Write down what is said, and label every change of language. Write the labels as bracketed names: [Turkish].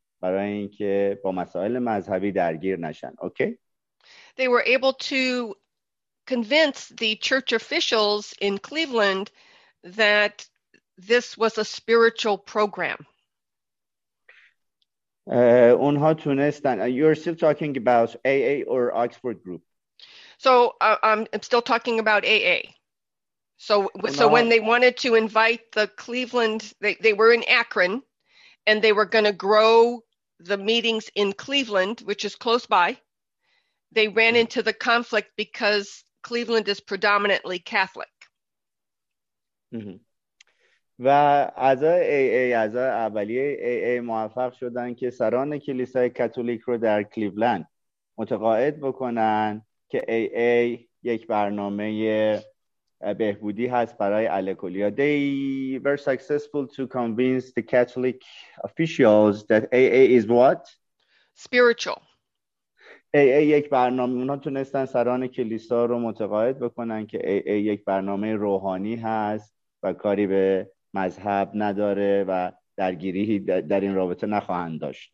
[Persian] برای اینکه با مسائل مذهبی درگیر نشن. [English] Okay? They were able to convince the church officials in Cleveland that this was a spiritual program. [Persian] اونها تونستن. [English] You're still talking about AA or Oxford group? So I'm still talking about AA. So when they wanted to invite the Cleveland, they were in Akron, and they were going to grow the meetings in Cleveland, which is close by. They ran into the conflict because Cleveland is predominantly Catholic. [Persian] و اعضای اعضای اولیه AA موفق شدن که سران کلیسای کاتولیک رو در کلیولند متقاعد بکنن که AA یک برنامه بهبودی هست برای الکلیا. [English] They were successful to convince the Catholic officials that AA is what? Spiritual. [Persian] AA یک برنامه، اونا تونستن سران کلیسا رو متقاعد بکنن که AA یک برنامه روحانی هست و کاری به مذهب نداره و درگیری در این رابطه نخواهند داشت.